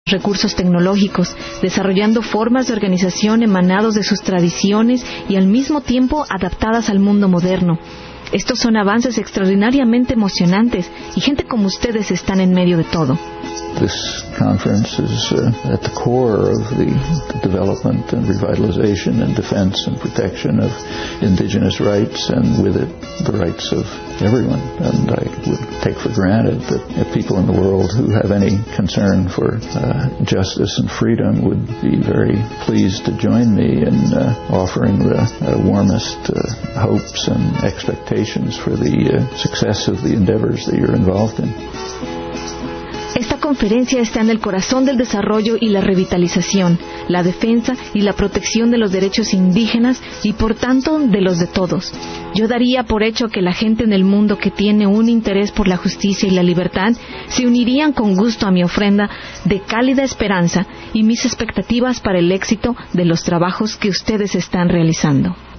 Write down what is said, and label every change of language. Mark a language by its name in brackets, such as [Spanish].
[Spanish] recursos tecnológicos, desarrollando formas de organización emanados de sus tradiciones y al mismo tiempo adaptadas al mundo moderno. Estos son avances extraordinariamente emocionantes y gente como ustedes están en medio de todo. [English] This conference is at the core of the development and revitalization and defense and protection of indigenous rights, and with it the rights of everyone. And I would take for granted that people in the world who have any concern for justice and freedom would be very pleased to join me in offering the warmest hopes and expectations for the success of the endeavors that you're involved in. [Spanish] Esta conferencia está en el corazón del desarrollo y la revitalización, la defensa y la protección de los derechos indígenas y, por tanto, de los de todos. Yo daría por hecho que la gente en el mundo que tiene un interés por la justicia y la libertad se unirían con gusto a mi ofrenda de cálida esperanza y mis expectativas para el éxito de los trabajos que ustedes están realizando.